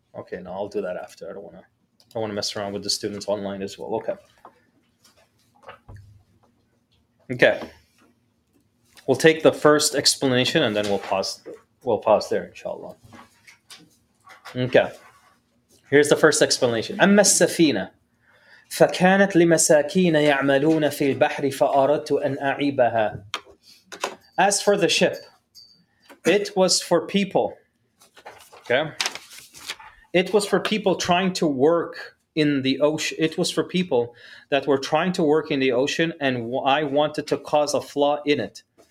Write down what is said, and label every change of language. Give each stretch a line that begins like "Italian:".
English: Okay, no, I'll do that after. I don't want to mess around with the students online as well. Okay. We'll take the first explanation and then we'll pause there, inshallah. Okay. Here's the first explanation.
Arabic: أما السفينة فكانت لمساكين يعملون في البحر فأردت أن أعيبها.
English: As for the ship, it was for people. Okay. It was for people trying to work in the ocean. It was for people that were trying to work in the ocean, and I wanted to cause a flaw in it.